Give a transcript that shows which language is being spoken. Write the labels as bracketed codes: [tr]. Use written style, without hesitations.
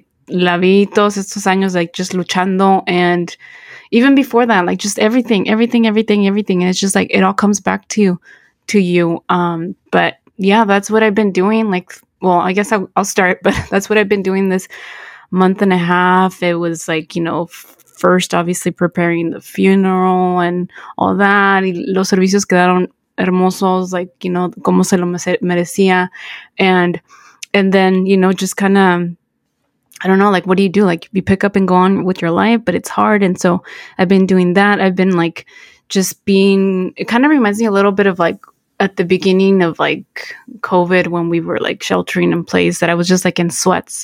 [es] La vi todos estos años, [en] like, just [es] luchando. [en] And even before that, like, just everything. And it's just, like, it all comes back to you. But, yeah, that's what I've been doing. Like, well, I guess I'll start. But that's what I've been doing this month and a half. It was, like, you know, first, obviously, preparing the funeral and all that. [es] Y los servicios quedaron hermosos, [en] like, you know, [es] como se lo merecía. [en] And then, you know, just kind of, I don't know, like, what do? Like, you pick up and go on with your life, but it's hard. And so I've been doing that. I've been, like, just being, it kind of reminds me a little bit of, like, at the beginning of, like, COVID when we were, like, sheltering in place, that I was just, like, in sweats.